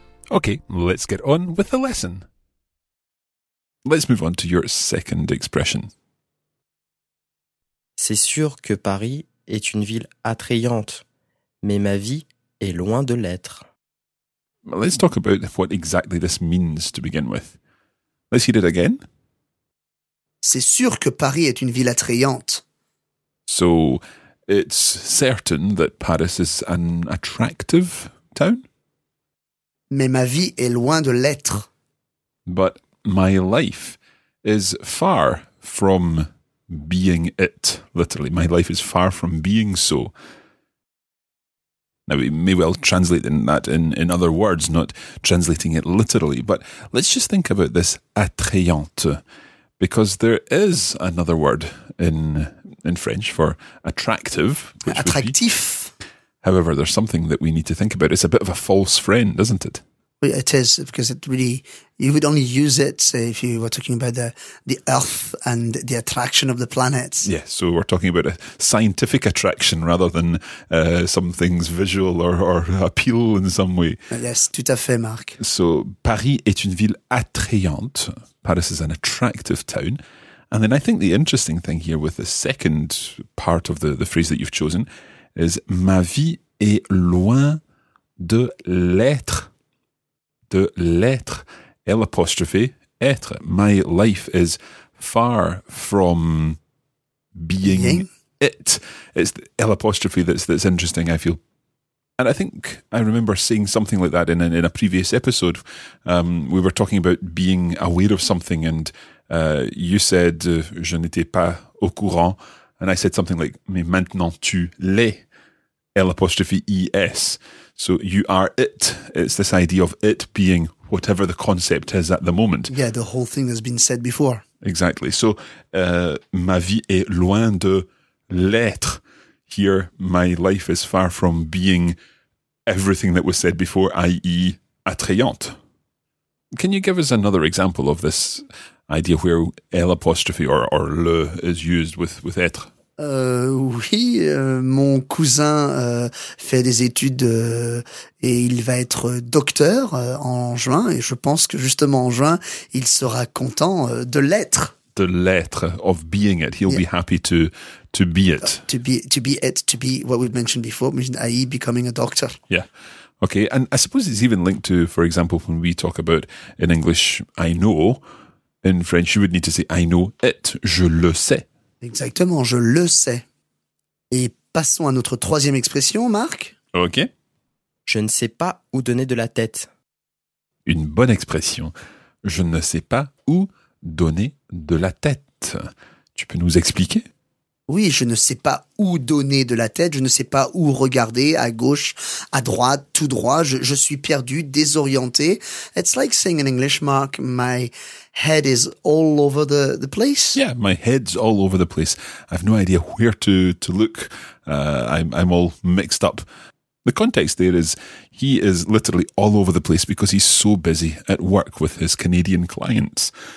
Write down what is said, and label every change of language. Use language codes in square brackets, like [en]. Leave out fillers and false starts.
[en] Okay, let's get on with the lesson. Let's move on to your second expression. [fr] C'est sûr que Paris est une ville attrayante, mais ma vie est loin de l'être. [en] Let's talk about what exactly this means to begin with. Let's hear it again. [fr] C'est sûr que Paris est une ville attrayante. [en] So, it's certain that Paris is an attractive town? [fr] Mais ma vie est loin de l'être. [en] But my life is far from being it, literally. My life is far from being so. Now, we may well translate that in other words, not translating it literally, but let's just think about this attrayante, because there is another word in French for attractive. [fr] Attractif. [en] However, there's something that we need to think about. It's a bit of a false friend, isn't it? It is, because it really, you would only use it if you were talking about the Earth and the attraction of the planets. Yeah, so we're talking about a scientific attraction rather than something's visual or appeal in some way. [fr] Yes, tout à fait, Marc. So Paris est une ville attrayante. [en] Paris is an attractive town. And then I think the interesting thing here with the second part of the phrase that you've chosen is [fr] ma vie est loin de l'être. De l'être, L apostrophe, être. [en] My life is far from being it. It's the L apostrophe that's interesting, I feel. And I think I remember saying something like that in a previous episode. We were talking about being aware of something, and you said, [fr] je n'étais pas au courant. [en] And I said something like, [fr] mais maintenant tu l'es, [en] L apostrophe, E-S. So you are it. It's this idea of it being whatever the concept is at the moment. Yeah, the whole thing has been said before. Exactly. [fr] So, ma vie est loin de l'être. [en] Here, my life is far from being everything that was said before, i.e. attrayante. Can you give us another example of this idea where L apostrophe or le is used with être? [fr] Oui, mon cousin fait des études et il va être docteur en juin. Et je pense que justement en juin, il sera content de l'être. De l'être, [en] of being it. He'll be happy to be it. To be what we've mentioned before, i.e. becoming a doctor. Yeah, okay. And I suppose it's even linked to, for example, when we talk about in English, I know. In French, you would need to say, I know it, [fr] je le sais. Exactement, je le sais. Et passons à notre troisième expression, Marc. Ok. Je ne sais pas où donner de la tête. Une bonne expression. Je ne sais pas où donner de la tête. Tu peux nous expliquer ? Oui, je ne sais pas où donner de la tête. Je ne sais pas où regarder, à gauche, à droite, tout droit. Je suis perdu, désorienté. [en] It's like saying in English, Mark, my head is all over the place. Yeah, my head's all over the place. I've no idea where to look. I'm all mixed up. The context there is he is literally all over the place because he's so busy at work with his Canadian clients.